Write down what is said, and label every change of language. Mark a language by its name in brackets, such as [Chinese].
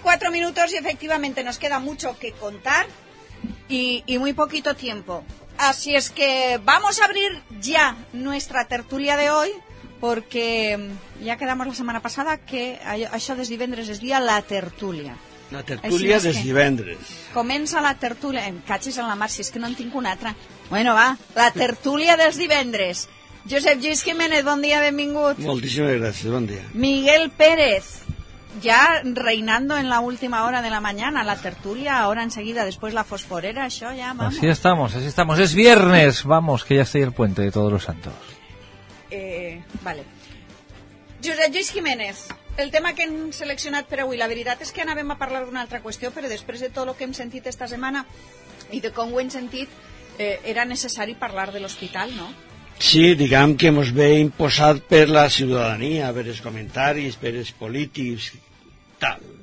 [Spanish] minutos y efectivamente nos queda mucho que contar y muy poquito tiempo. Así es que vamos a abrir ya nuestra tertulia de hoy, porque ya quedamos la semana pasada que [Catalan] això des divendres es dia la tertulia. La tertulia des divendres. Comença la tertulia, em catxes en la mar si és que no en tinc una altra. Bueno, va, la tertulia des divendres. Josep Lluís Jiménez, bon dia, benvingut. Moltíssimes gràcies, bon dia. [Spanish] Miguel Pérez, ja reinando en la última hora de la mañana, la tertulia, ahora enseguida, después la fosforera, [Catalan] això ja, [Spanish] vamos. Así estamos, así estamos. Es viernes, vamos, que ya está ahí el puente de todos los santos. Vale. [Catalan] Josep Lluís Jiménez, el tema que hem seleccionat per avui, la veritat és que anàvem a parlar d'una altra qüestió, però després de tot el que hem sentit esta setmana i de com ho hem sentit, era necessari parlar de l'hospital, no? Sí, diguem que ens ve imposat per la ciutadania, per els comentaris, per els polítics, tal.